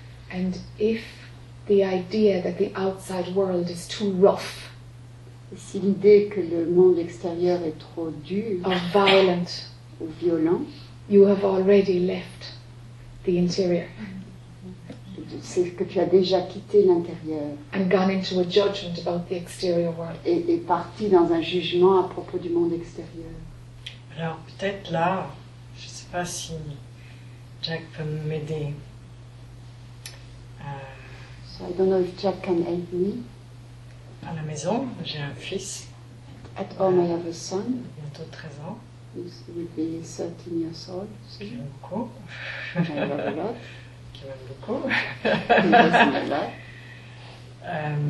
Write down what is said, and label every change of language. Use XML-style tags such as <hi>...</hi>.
<en>And if the idea that the outside world is too rough,</en> <fr>si l'idée que le monde extérieur est trop dur,</fr> <en>or violent,</en> <fr>ou violent,</fr> <en>you have already left the interior.</en> <fr>C'est que tu as déjà quitté l'intérieur</fr> <en>and gone into a judgment about the exterior world.</en> <fr>Et est parti dans un jugement à propos du monde extérieur. Alors peut-être là, je ne sais pas si Jack peut m'aider.</fr> <en>So I don't know if Jack can help me.</en> <fr>À la maison, j'ai un fils.</fr> <en>At home, I have a son.</en> <fr>Bientôt 13 ans.</fr> <en>He will be 13 years old.</en> <fr>J'aime beaucoup.</fr> <en>I love a lot.</en> <fr>qui m'aime beaucoup. Il</fr> <en>doesn't like.</en>